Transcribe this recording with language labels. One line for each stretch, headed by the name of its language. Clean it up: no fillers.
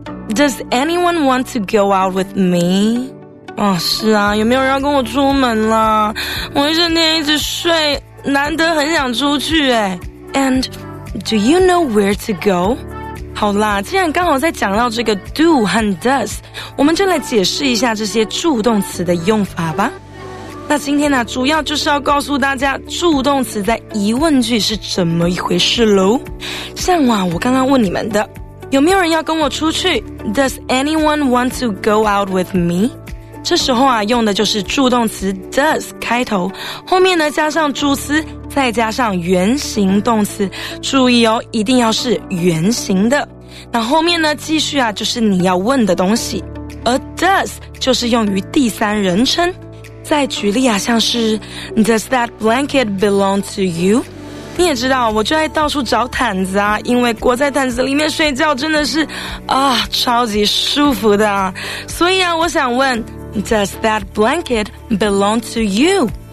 English: Does anyone want to go out with me?
Chinese: 是啊，有没有人要跟我出门啦？我一整天一直睡，难得很想出去哎。
English: And do you know where to go?
Chinese: 好啦，既然刚好在讲到这个 do 和 does，我们就来解释一下这些助动词的用法吧。那今天呢，主要就是要告诉大家助动词在疑问句是怎么一回事咯。像啊，我刚刚问你们的，有没有人要跟我出去？
English: Does anyone want to go out with me?
Chinese: 这时候啊，用的就是助动词 does 开头，后面呢加上助词，再加上原形动词。注意哦，一定要是原形的。那后面呢继续啊，就是你要问的东西。而 does 就是用于第三人称。再举例啊，像是
English: Does that blanket belong to you?
Chinese: 你也知道，我就爱到处找毯子啊，因为裹在毯子里面睡觉真的是超级舒服的啊。所以啊，我想问
English: Does that blanket belong to you?